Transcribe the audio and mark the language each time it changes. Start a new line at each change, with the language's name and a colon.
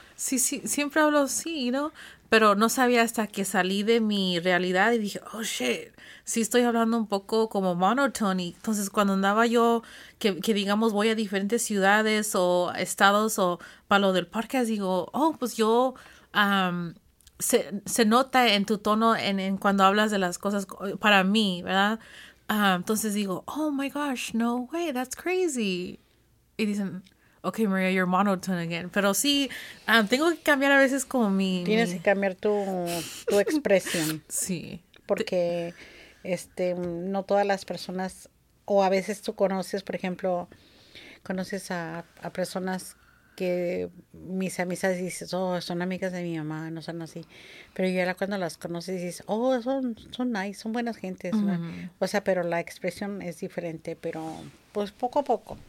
Spanish: Sí, siempre hablo así, ¿no? Pero no sabía hasta que salí de mi realidad y dije,
English: oh shit,
Spanish: sí estoy hablando un poco como monotone. Entonces, cuando andaba yo, que digamos voy a diferentes ciudades o estados o para lo del podcast, digo, oh, pues yo, se nota en tu tono en cuando hablas de las cosas para mí, ¿verdad? Entonces digo,
English: oh my gosh, no way, that's crazy.
Spanish: Y dicen,
English: ok, María, you're monotone again.
Spanish: Pero sí, tengo que cambiar a veces como Tienes que mi. cambiar tu expresión, Sí. porque no todas las personas, o a veces tú conoces, por ejemplo, conoces a personas que mis amistades dices, oh, son amigas de mi mamá, no son así, pero ya cuando las conoces dices, oh, son nice, son buenas gentes, o sea, pero la expresión es diferente, pero pues poco a